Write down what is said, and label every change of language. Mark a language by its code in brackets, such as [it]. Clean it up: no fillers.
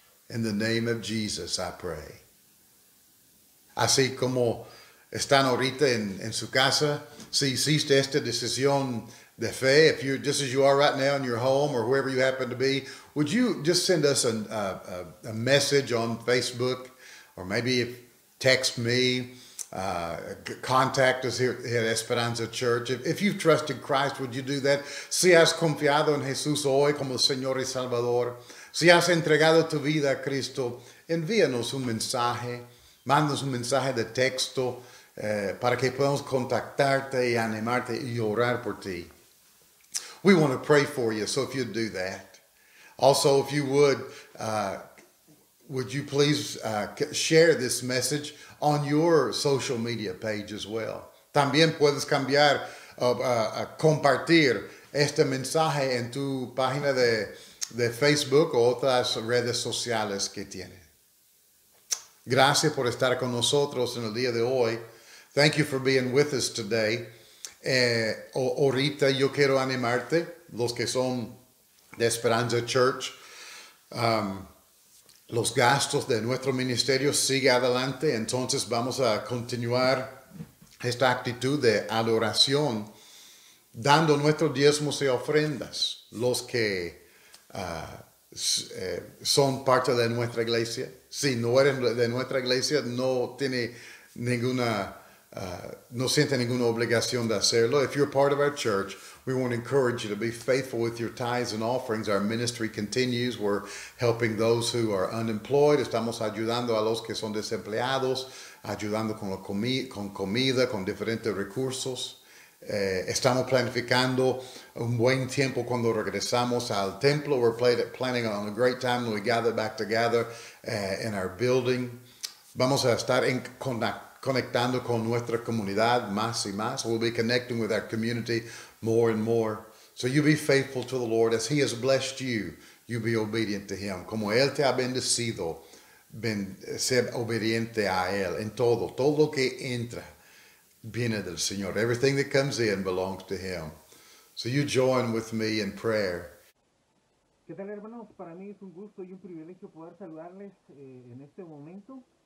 [en] In the name of Jesus, I pray. [es] Así como están ahorita en su casa, si hiciste esta decisión de fe, [en] if you're just as you are right now in your home or wherever you happen to be, would you just send us a message on Facebook, or maybe text me, contact us here at Esperanza Church. If you've trusted Christ, would you do that? [es] Si has confiado en Jesús hoy como Señor y Salvador, si has entregado tu vida a Cristo, envíanos un mensaje. Mándanos un mensaje de texto para que podamos contactarte y animarte y orar por ti. [en] We want to pray for you, so if you'd do that. Also, if you would you please share this message on your social media page as well. [es] También puedes cambiar, compartir este mensaje en tu página de Facebook o otras redes sociales que tienes. Gracias por estar con nosotros en el día de hoy. [en] Thank you for being with us today. [es] Ahorita yo quiero animarte, los que son de Esperanza Church. Los gastos de nuestro ministerio sigue adelante. Entonces vamos a continuar esta actitud de adoración dando nuestros diezmos y ofrendas, los que son parte de nuestra iglesia. Si no eres de nuestra iglesia, no tiene ninguna, no siente ninguna obligación de hacerlo. [en] If you're part of our church, we want to encourage you to be faithful with your tithes and offerings. Our ministry continues. We're helping those who are unemployed. [es] Estamos ayudando a los que son desempleados, ayudando con la comida, con diferentes recursos. Estamos planificando un buen tiempo cuando regresamos al templo. [en] We're planning on a great time when we gather back together in our building. [es] Vamos a estar conectando con nuestra comunidad más y más. [en] We'll be connecting with our community more and more. So you be faithful to the Lord. As He has blessed you, you be obedient to Him. [es] Como Él te ha bendecido, ser obediente a Él en todo. Todo lo que entra viene del Señor. [en] Everything that comes in belongs to Him. So you join with me in prayer. [es] ¿Qué tal, hermanos? Para mí es un gusto y un privilegio poder saludarles en este momento.